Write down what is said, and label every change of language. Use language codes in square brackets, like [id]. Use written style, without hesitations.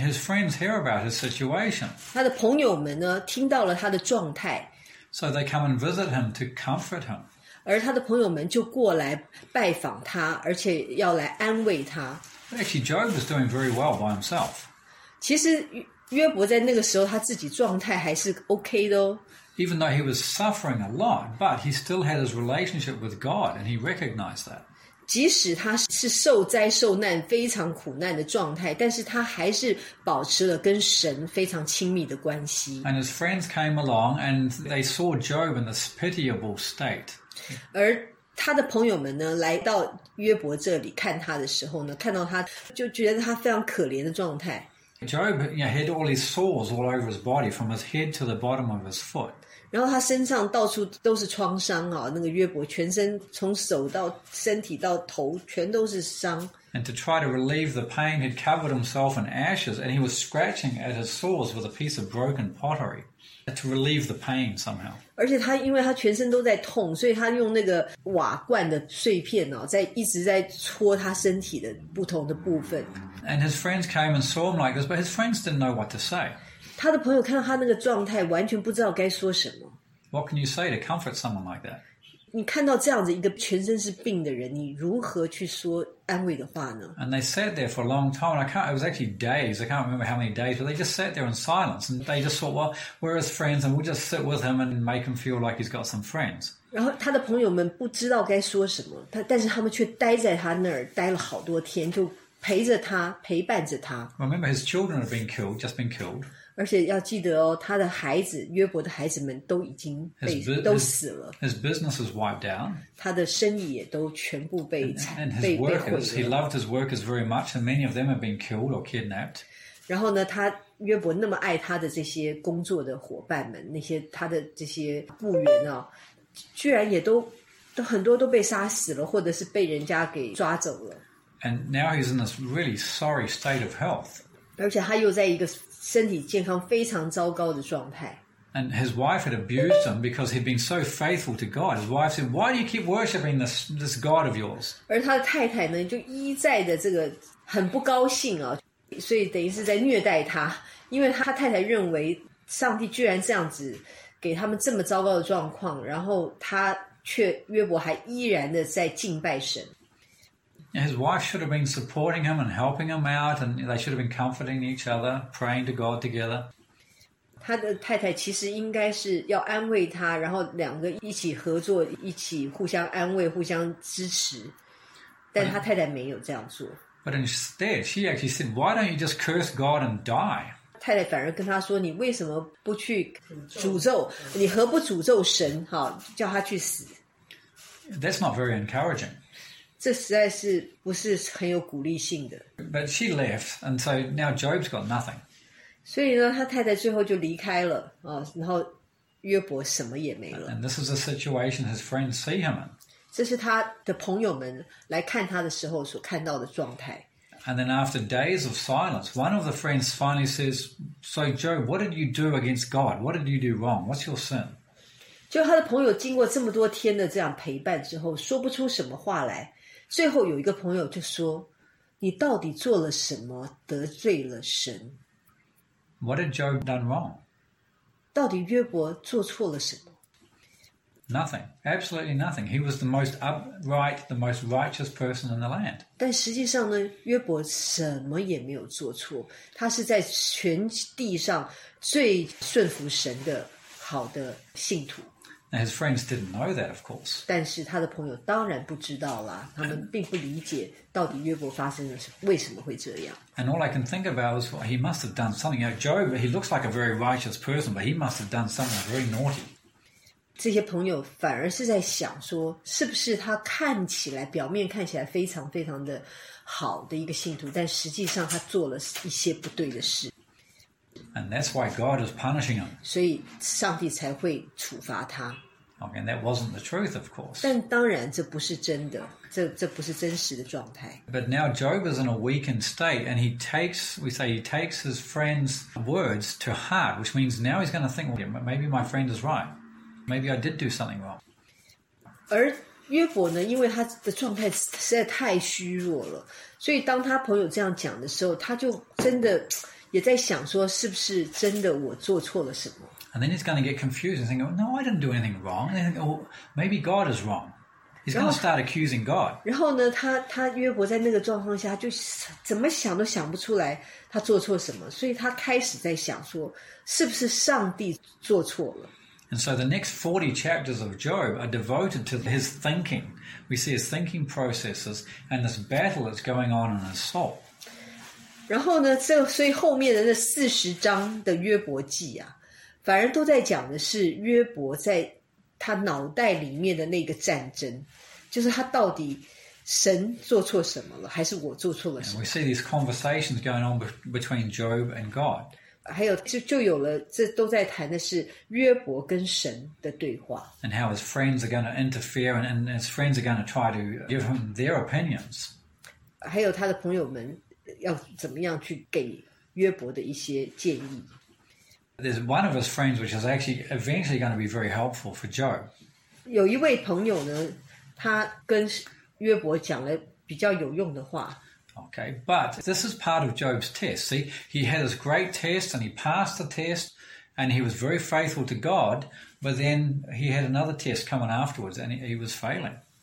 [en] his friends hear about his situation. [zh] 他的朋友们呢，听到了他的状态。 [en] So they come and visit him to comfort him. [zh] 而他的朋友们就过来拜访他，而且要来安慰他。 [en] Actually, Job was doing very well by himself. [zh] 其实约伯在那个时候他自己状态还是OK的哦。 [en] Even though he was suffering a lot, but he still had his relationship with God, and he recognized that. [zh] 即使他是受灾受难非常苦难的状态，但是他还是保持了跟神非常亲密的关系。 [en] And his friends came along and they saw Job in this pitiable state. [zh] 而他的朋友们呢，来到约伯这里看他的时候呢，看到他就觉得他非常可怜的状态。 [en] Job, you know, had all his sores all over his body, from his head to the bottom of his foot. [zh] 然后他身上到处都是创伤啊，那个约伯全身从手到身体到头全都是伤。 [en] And to try to relieve the pain, he'd covered himself in ashes, and he was scratching at his sores with a piece of broken pottery. To relieve the pain somehow. [zh] 而且他因为他全身都在痛，所以他用那个瓦罐的碎片哦，在一直在戳他身体的不同的部分。 [en] And his friends came and saw him like this, but his friends didn't know what to say. [zh] 他的朋友看到他那个状态，完全不知道该说什么。 [en] What can you say to comfort someone like that? [zh] 你看到这样子一个全身是病的人，你如何去说安慰的话呢？ [en] And they sat there for a long time. It was actually days. I can't remember how many days, but they just sat there in silence. And they just thought, well, we're his friends, and we'll just sit with him and make him feel like he's got some friends. [zh] 然后他的朋友们不知道该说什么，但是他们却待在他那儿待了好多天，就陪着他，陪伴着他。 [en] Remember, his children had been killed, just been killed. [zh] 而且要记得哦，他的孩子，约伯的孩子们都已经都死了。 [en] His business was wiped out. [zh] 他的生意也都全部被毁了。 [en] And his workers, he loved his workers very much, and many of them had been killed or kidnapped. [zh] 然后呢，他约伯那么爱他的这些工作的伙伴们，那些他的这些雇员啊，居然也都很多都被杀死了，或者是被人家给抓走了。 [en] And now he's in this really sorry state of health. [zh] 而且他又在一个身体健康非常糟糕的状态。 [en] And his wife had abused him because he'd been so faithful to God. His wife said, "Why do you keep worshiping this God of yours?" [zh] 而他的太太呢，就一再的这个很不高兴啊，所以等于是在虐待他，因为他太太认为上帝居然这样子给他们这么糟糕的状况，然后他却约伯还依然的在敬拜神。 His wife should have been supporting him and helping him out, and they should have been comforting each other, praying to God together. 他的太太其实应该是要安慰他，然后两个一起合作，一起互相安慰，互相支持。但他太太没有这样做。 [en] But instead, she actually said, "Why don't you just curse God and die?" [zh] 太太反而跟他说，你为什么不去诅咒？你何不诅咒神？哈，叫他去死。 [en] That's not very encouraging. [zh] 这实在是不是很有鼓励性的。 [en] But she left, and so now Job's got nothing. [zh] 所以呢，他太太最后就离开了，然后约伯什么也没了。 [en] And this is the situation his friends see him in. [zh] 这是他的朋友们来看他的时候所看到的状态。 [en] And then after days of silence, one of the friends finally says, "So Job, what did you do against God? What did you do wrong? What's your sin?" [zh] 就他的朋友经过这么多天的这样陪伴之后，说不出什么话来。最后有一个朋友就说，你到底做了什么得罪了神？ [en] What had Job done wrong? [zh] 到底约伯做错了什么？ [en] Nothing, absolutely nothing. He was the most upright, the most righteous person in the land. [zh] 但实际上呢，约伯什么也没有做错，他是在全地上最顺服神的好的信徒。 [en] Now, his friends didn't know that, of course. [zh] 但是他的朋友当然不知道啦，他们并不理解到底约伯发生了什么，为什么会这样。 [en] And all I can think about is, well, he must have done something. You know, Job, he looks like a very righteous person, but he must have done something very naughty. [zh] 这些朋友反而是在想说，是不是他看起来表面看起来非常非常的好的一个信徒，但实际上他做了一些不对的事。 [en] And that's why God is punishing him. [zh] 所以上帝才会处罚他。 [en] Okay, and that wasn't the truth, of course. [zh] 但当然这不是真的，这不是真实的状态。 [en] But now Job is in a weakened state, and he takes his friend's words to heart, which means now he's going to think, well, maybe my friend is right. Maybe I did do something wrong. [zh] 而约伯呢，因为他的状态实在太虚弱了，所以当他朋友这样讲的时候，他就真的。也在想说是不是真的我做错了什么。 [en] And then he's going to get confused and think, no, I didn't do anything wrong. And then, oh, maybe God is wrong. He's going to start accusing God. [zh] 然后呢他约伯在那个状况下就怎么想都想不出来他做错什么。所以他开始在想说是不是上帝做错了。 [en] And so the next 40 chapters of Job are devoted to his thinking. We see his thinking processes and this battle that's going on in his soul. [zh] 然后呢，这所以后面的这四十章的约伯记啊，反而都在讲的是约伯在他脑袋里面的那个战争，就是他到底神做错什么了，还是我做错了什么 [en] ？We see these conversations going on between Job and God. [zh] 还有就有了，这都在谈的是约伯跟神的对话。 [en] And how his friends are going to interfere, and his friends are going to try to give him their opinions. [zh] 还有他的朋友们要怎么样去给约伯的一些建议。 [en] There's one of his friends which is actually eventually going to be very helpful for Job. [zh] 有一位朋友呢，他跟约伯讲了比较有用的话。 [en] Okay, but this is part of Job's test. See, he had his great test and he passed the test and he was very faithful to God, but then he had another test coming afterwards and he was failing.